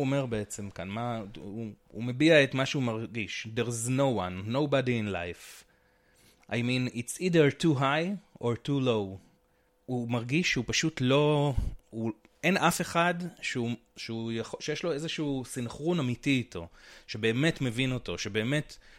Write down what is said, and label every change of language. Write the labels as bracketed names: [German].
[Hebrew] בעצם כאן, מה, הוא מביע את מה שהוא מרגיש. [English] There's no one, nobody in life. I mean, it's either too high or too low. [Hebrew] הוא מרגיש שהוא פשוט לא, אין אף אחד שיש לו איזשהו סינכרון אמיתי איתו, שבאמת מבין אותו, שבאמת